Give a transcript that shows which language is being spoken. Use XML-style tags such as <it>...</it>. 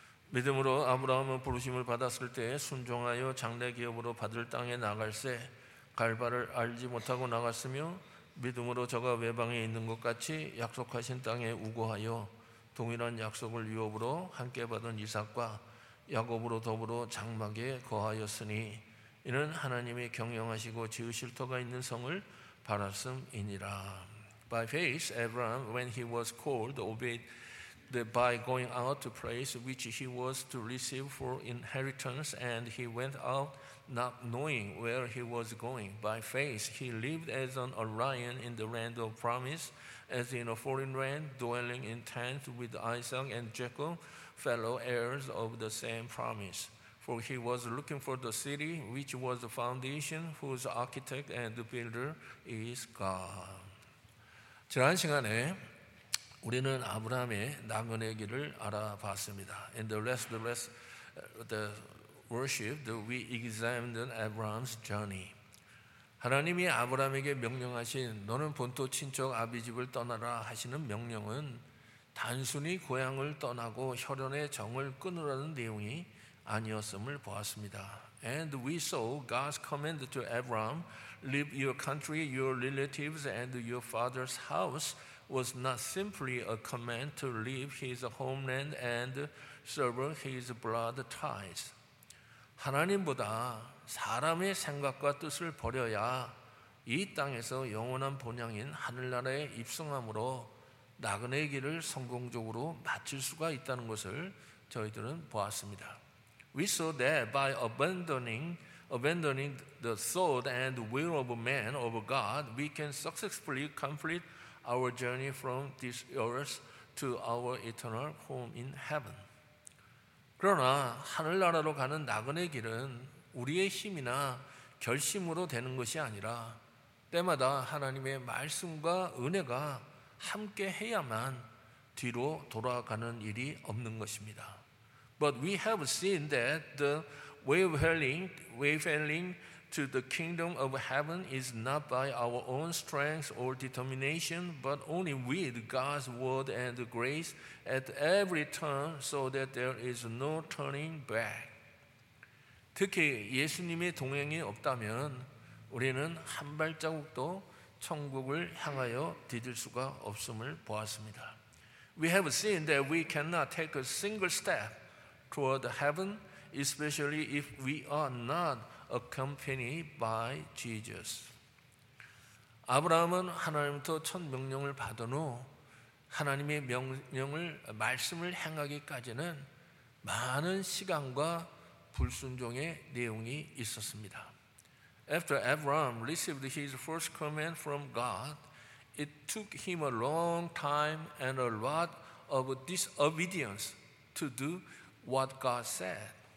<ko>믿음으로 아브라함은 부르심을 받았을 때 순종하여 장래 기업으로 받을 땅에 나갈 새 갈바를 알지 못하고 나갔으며 믿음으로 저가 외방에 있는 것 같이 약속하신 땅에 우거하여 동일한 약속을 유업으로 함께 받은 이삭과 야곱으로 더불어 장막에 거하였으니 이는 하나님이 경영하시고 지으실 터가 있는 성을 바랐음이니라.</ko> <en>By faith, Abraham, when he was called, obeyed that by going out to place which he was to receive for inheritance, and he went out not knowing where he was going. By faith, he lived as an alien in the land of promise, as in a foreign land, dwelling in tents with Isaac and Jacob, fellow heirs of the same promise. For he was looking for the city which was the foundation, whose architect and builder is God.</en> <ko>지난 시간에 우리는 아브라함의 나그네 길을 알아봤습니다.</ko> <en>In the rest of the worship, we examined Abraham's journey.</en> <ko>하나님이 아브라함에게 명령하신 너는 본토 친척 아비집을 떠나라 하시는 명령은 단순히 고향을 떠나고 혈연의 정을 끊으라는 내용이 아니었음을 보았습니다.</ko> <en>And we saw God's command to Abraham, leave your country, your relatives, and your father's house was not simply a command to leave his homeland and sever his blood ties.</en> <ko>하나님보다 사람의 생각과 뜻을 버려야 이 땅에서 영원한 본향인 하늘나라에 입성함으로 나그네 길을 성공적으로 마칠 수가 있다는 것을 저희들은 보았습니다.</ko> <en>We saw that by abandoning the thought and will of man over God, we can successfully complete our journey from this earth to our eternal home in heaven.</en> <ko>그러나 하늘나라로 가는 나그네 길은 우리의 힘이나 결심으로 되는 것이 아니라 때마다 하나님의 말씀과 은혜가 함께 해야만 뒤로 돌아가는 일이 없는 것입니다.</ko> <en>But we have seen that the wayfaring to the kingdom of heaven is not by our own strength or determination, but only with God's word and grace at every turn, so that there is no turning back.</en> <ko>특히 예수님의 동행이 없다면 우리는 한 발자국도 천국을 향하여 디딜 수가 없음을 보았습니다.</ko> <en>We have seen that we cannot take a single step toward heaven, especially if we are not accompanied by Jesus.</en> <ko>아브라함은 하나님부터 첫 명령을 받은 후 하나님의 명령을 말씀을 행하기까지는 많은 시간과 불순종의 내용이 있었습니다.</ko> <en>After Abraham received his first command from God, it took him a long time and a lot of disobedience to do what God said.</en>